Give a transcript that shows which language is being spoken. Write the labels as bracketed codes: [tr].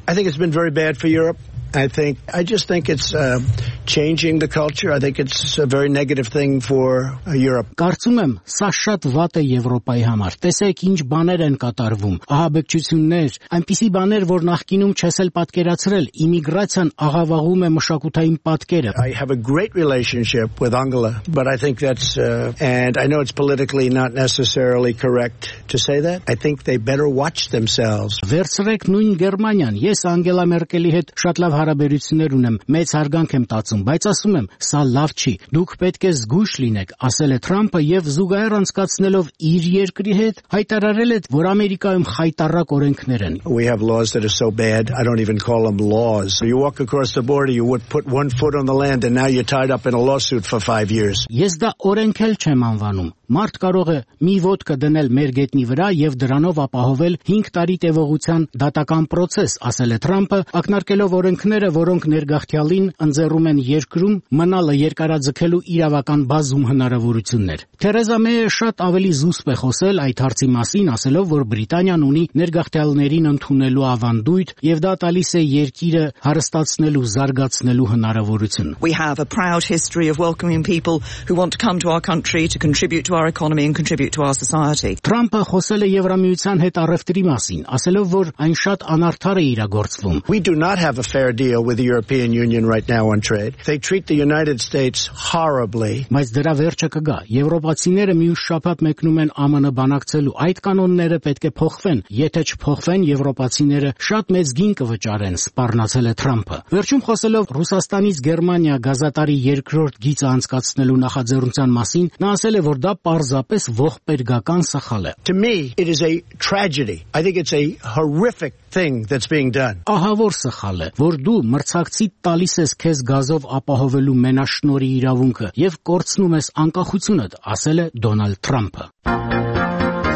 [en] I think it's been very bad for Europe. I just think it's changing the culture. I think it's a very negative thing for Europe. [hy] Կարծում եմ, սա շատ վատ է Եվրոպայի համար։ Տեսեք ինչ բաներ են կատարվում։ Ահաբեկչություններ, այնպիսի բաներ, որ նախկինում չես էլ պատկերացրել։ Իմիգրացիան աղավաղում է մշակութային պատկերը։ [en] I have a great relationship with Angela, but I think that's and I know it's politically not necessarily correct to say that. I think they better watch themselves. [hy] Վերցրեք նույն Գերմանիան։ Ես Անգելա Մերկելի հետ շատ լավ հարաբերություններ ունեմ, մեծ հարգանք եմ տածում, բայց ասում եմ, սա լավ չի, դուք պետք է զգույշ լինեք, ասել է Թրամփը և զուգահեռ անցկացնելով իր երկրի հետ, հայտարարել է, որ Ամերիկայում խայտառակ օրենքներ են. [en] We have laws that are so bad, I don't even call them laws. You walk across the border, you would put one foot on the land and now you're tied up in a lawsuit for 5 years. [hy] Ես դա օրենք չեմ անվանում. Մարդ կարող է մի ոտքը դնել մեր գետնի վրա եւ դրանով ապահովել 5 տարի տևողության դատական process, ասել է Թրամփը, ակնարկելով օրենքները, որոնք ներգաղթյալին ընձեռում են երկրում մնալը երկարաձգելու իրավական բազում հնարավորություններ։ Թերեզա Մեյը շատ ավելի զուսպ է խոսել այդ հարցի մասին, ասելով, որ Բրիտանիան ունի ներգաղթյալներին ընդունելու ավանդույթ եւ դա տալիս է երկիրը հարստացնելու, զարգացնելու հնարավորություն։ [en] We have a proud history of welcoming people who want to come to our country to contribute to our economy and contribute to our society. [hy] Թրամփը խոսել է Եվրամիության հետ առևտրի մասին, ասելով, որ այն շատ անարդար է իրագործվում. [en] We do not have a fair deal with the European Union right now on trade. They treat the United States horribly. [hy] Մայս դրա վերջը կգա։ Եվրոպացիները միշտ շփապ մեկնում են ԱՄՆ բանակցելու։ Այդ կանոնները պետք է փոխվեն, եթե չփոխվեն, եվրոպացիները շատ մեծ գին կվճարեն, սպառնացել է Թրամփը։ Վերջում խոսելով Ռուսաստանից Գերմանիա գազատարի երկրորդ գիծը անցկացնելու նախաձեռնության մասին, նա ասել է, որ դա պարզապես ողբերգական սխալ է։ [en] To me, it is a tragedy. I think it's a horrific thing that's being done. [hy] Ահավոր սխալ է, որ դու մրցակցի տալիս ես քեզ գազով ապահովելու մենաշնորի իրավունքը եւ կորցնում ես անկախությունդ, ասել է Դոնալդ Թրամփը։